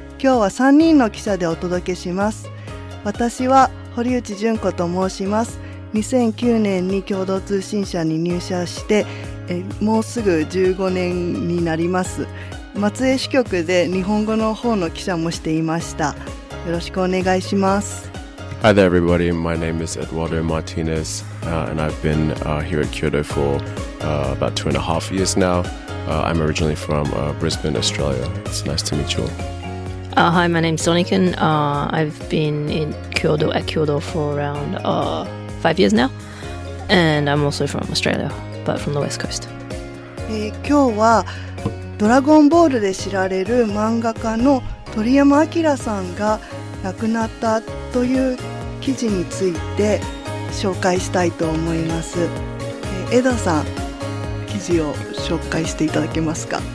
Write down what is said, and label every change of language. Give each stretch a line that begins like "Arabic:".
Japanese: 今日は3人の記者でお届けします。私は堀内純子と申します。 2009年に共同通信社に入社して、もうすぐ15年になります。松江支局で日本語の方の記者もしていました。よろしくお願いします。
English: Hi there everybody, my name is Eduardo Martinez、and I've been、here at Kyoto for、about 2.5 years now.、I'm originally from、Brisbane, Australia. It's nice to meet you all.、 Hi, my name is Sonikin.、I've been in Kyoto, at Kyoto for around、5 years now. And I'm also from Australia, but from the West Coast.、
Japanese: 今日はドラゴンボールで知られる漫画家の鳥山明さんが亡くなったという記事について紹介したいと思います。江田さん、記事を紹介していただけますか。